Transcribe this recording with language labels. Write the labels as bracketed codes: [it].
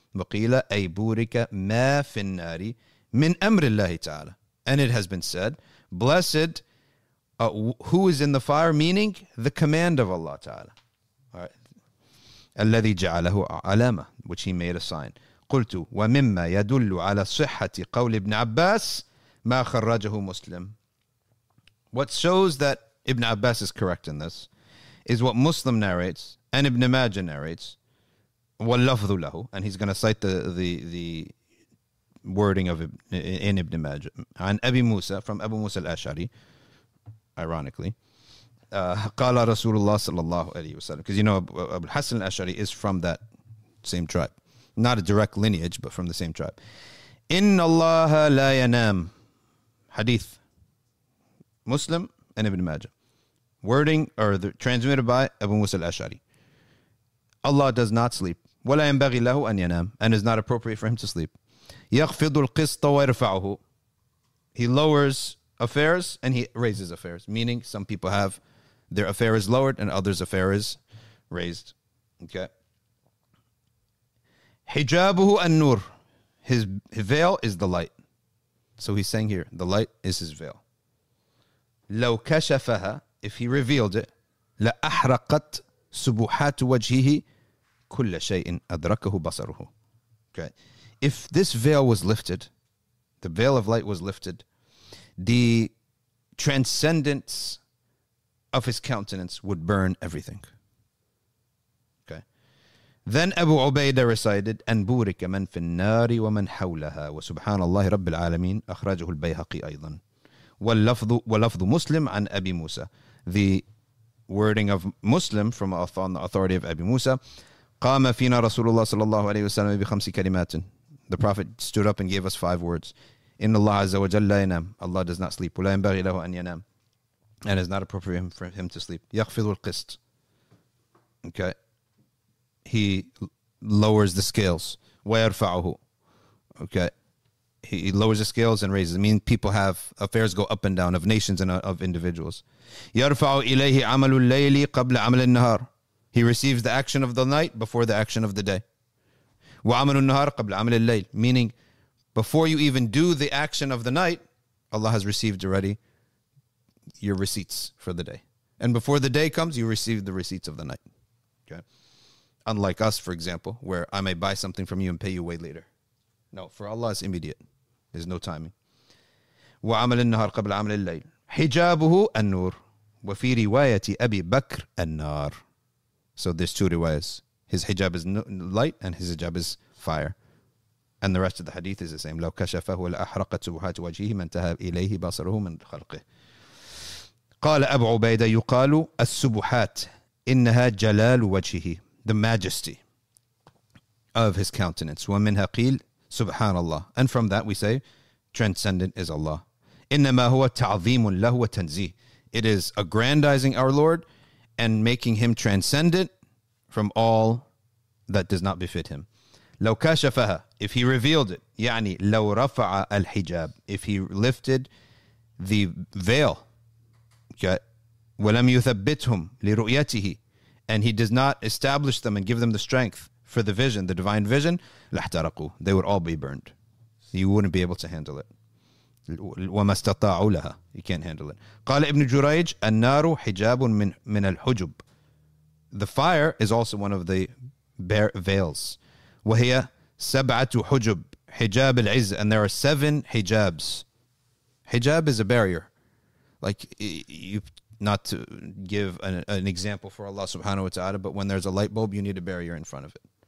[ar] وَقِيلَ أَيْ بُورِكَ مَا فِي النَّارِ مِنْ أَمْرِ اللَّهِ تَعَالَى. [en] And it has been said, blessed who is in the fire, meaning the command of Allah Ta'ala. All right. [ar] الَّذِي جَعَلَهُ عَلَامَةً, [en] which he made a sign. [ar] قلت ومما يدل على صحة قول ابن عباس ما خرجه مسلم. [en] What shows that Ibn Abbas is correct in this is what Muslim narrates and Ibn Majah narrates. [ar] واللفظ له, [en] and he's going to cite the wording of in Ibn Majah [ar] عن أبي موسى, [en] from Abu Musa al-Ash'ari, ironically. [ar] قال رسول الله صلى الله عليه وسلم, [en] because you know Abu Hassan al-Ash'ari is from that same tribe, not a direct lineage, but from the same tribe. [ar] إن الله لا ينام, [en] hadith, Muslim and Ibn Majah, wording or the, transmitted by Abu Musa al-Ash'ari. Allah does not sleep. [ar] ولا ينبغي له أن ينام, [en] and is not appropriate for him to sleep. [ar] يخفض القسط ويرفعه, [en] he lowers affairs and he raises affairs, meaning some people have their affairs lowered and others' affairs raised. Okay. [ar] حجابه النور, [en] his veil is the light. So he's saying here, the light is his veil. [ar] لو كشفها, [en] if he revealed it, [ar] لأحرقت سبحات وجهه كل شيء أدركه بصره. [en] Okay. If this veil was lifted, the veil of light was lifted, the transcendence of his countenance would burn everything. Okay. Then Abu Ubaidah recited, [ar] أن بورك من في النار ومن حولها وسبحان الله رب العالمين أخرجه البيهقي أيضا. واللفظ مسلم عن أبي موسى. [en] The wording of Muslim from on the authority of Abi Musa. [ar] قام فينا رسول الله صلى الله عليه وسلم بخمس كلمات. [en] The Prophet stood up and gave us five words. [ar] إن الله عز وجل لا ينام. [en] Allah does not sleep. [ar] ولا ينبغي له أن ينام. [en] And it's not appropriate for him to sleep. [ar] يخفض القسط. [en] Okay. He lowers the scales. ويرفعه. Okay. He lowers the scales and raises. I mean, people have affairs go up and down of nations and of individuals. [ar] يرفع إليه عمل الليل قبل عمل النهار. [en] He receives the action of the night before the action of the day. [ar] وعمل النهار قبل عمل الليل. [en] Meaning, before you even do the action of the night, Allah has received already your receipts for the day. And before the day comes, you receive the receipts of the night. Okay. Unlike us, for example, where I may buy something from you and pay you way later. No, for Allah it's immediate. There's no timing. [ar] وعمل النهار قبل عمل الليل. حجابه النور. وفي رواية أبي بكر النار. [en] So there's two riwayas. His hijab is light and his hijab is fire. And the rest of the hadith is the same. [ar] لو كشفه لأحرقت سبحات وجهه من تهى إليه بصره من خلقه. قال أبو عبيدة يقال السبحات إنها جلال وجهه. [en] The majesty of his countenance. [ar] ومنها قيل سبحان الله. [en] And from that we say transcendent is Allah. [ar] إنما هو تعظيم له وتنزيه. [en] It is aggrandizing our Lord and making him transcendent from all that does not befit him. [ar] لو كشفها, [en] if he revealed it, [ar] يعني لو رفع الحجاب, [en] if he lifted the veil, [ar] ولم يثبتهم لرؤيته, [en] and he does not establish them and give them the strength for the vision, the divine vision, لحترقوا, they would all be burned. You wouldn't be able to handle it. [ar] وما استطاعوا لها, [en] you can't handle it. [ar] قال ابن جريج, النار حجاب من الحجب. [en] The fire is also one of the bare veils. [ar] وهي سبعة حجب, حجاب العز, [en] and there are seven hijabs. Hijab is a barrier. Like, you, not to give an example for Allah subhanahu wa ta'ala, but when there's a light bulb, you need a barrier in front of it.